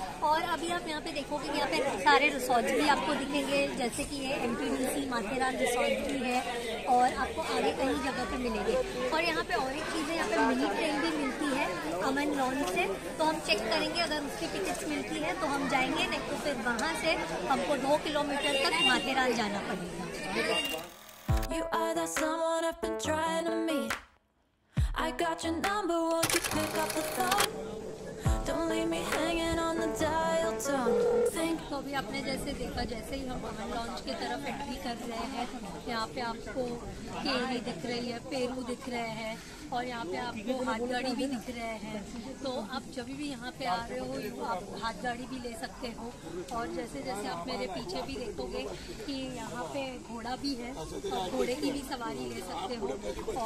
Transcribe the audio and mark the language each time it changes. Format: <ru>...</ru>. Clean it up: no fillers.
<hi>और अभी आप यहाँ पे देखोगे यहाँ पे सारे रिसॉर्ट्स भी आपको दिखेंगे, जैसे कि ये एमपीडीसी माथेरान रिसॉर्ट भी है और आपको आगे कई जगह पे मिलेंगे। और यहाँ पे और एक चीज़ है, यहाँ पे मिनी ट्रेन भी मिलती है अमन लॉन से, तो हम चेक करेंगे अगर उसकी टिकट्स मिलती है तो हम जाएंगे, नहीं तो फिर वहाँ से हमको 2 किलोमीटर तक माथेरान जाना पड़ेगा।</hi> <en>You are the someone I've been trying to meet. I got your number, won't you pick up the phone? Don't leave me hanging on the dial tone.</en> <hi>तो अभी आपने जैसे देखा, जैसे ही हम अमन लॉन्च की तरफ एंट्री कर रहे हैं, यहाँ पे आपको केरी दिख रही है, पेरू दिख रहे हैं और यहाँ पे आपको हाथगाड़ी भी दिख रहे हैं। तो आप जब भी यहाँ पे आ रहे हो आप हाथगाड़ी भी ले सकते हो। और जैसे जैसे आप मेरे पीछे भी देखोगे कि यहाँ पे घोड़ा भी है, आप घोड़े की भी सवारी ले सकते हो।</hi>